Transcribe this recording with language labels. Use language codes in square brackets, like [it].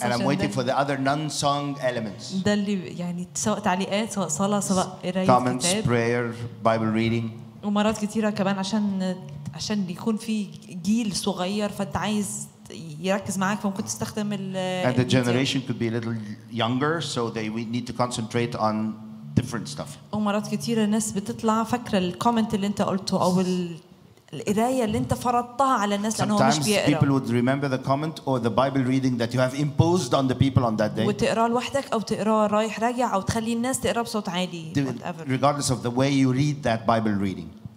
[en] And I'm waiting for the other non-song elements. [ar] ده اللي يعني سواء تعليقات سواء صلاة سواء قراية كتاب. [en] Comments, prayer, Bible reading. [ar] ومرات كتيرة كمان عشان يكون في جيل صغير فانت عايز يركز معاك فممكن تستخدم ال [en] and the generation could be a little younger so they we need to concentrate on different stuff. [ar] ومرات كتيرة ناس بتطلع فكرة الكومنت اللي انت قلته او القراية اللي انت فرضتها على الناس لانه مش بيقرأ. [en] Sometimes people would remember the comment or the Bible reading that you have imposed on the people on that day. [ar] وتقرأ لوحدك او تقرأ رايح راجع او تخلي الناس تقرأ بصوت عالي. [en] Regardless of the way you read that Bible reading.